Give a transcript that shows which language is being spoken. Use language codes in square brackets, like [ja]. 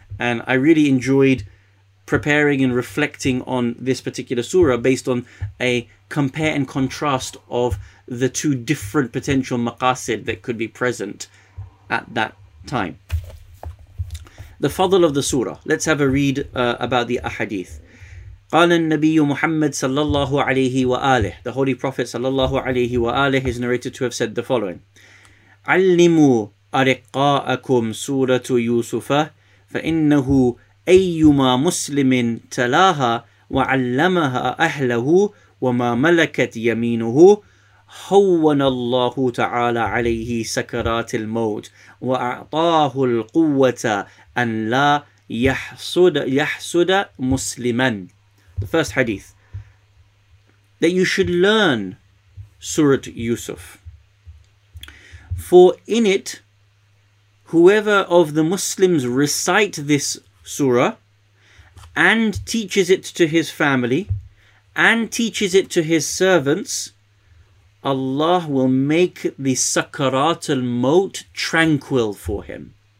[en] And I really enjoyed preparing and reflecting on this particular surah based on a compare and contrast of the two different potential maqasid that could be present at that time. The fadl of the surah. Let's have a read about the ahadith. [ar] قال النبي محمد صلى الله عليه وآله. [en] The Holy Prophet صلى الله عليه وآله is narrated to have said the following. [ar] علموا أرقاءكم سورة يوسف فإنه أيما مسلم تلاها وعلمها أهله وما ملكت يمينه هون الله تعالى عليه سكرات الموت وأعطاه القوة أن لا يحسد مسلما. [en] The first hadith, that you should learn Surat Yusuf. For in it, whoever of the Muslims recite this surah and teaches it to his family and teaches it to his servants, Allah will make the Sakarat al-Maut tranquil for him.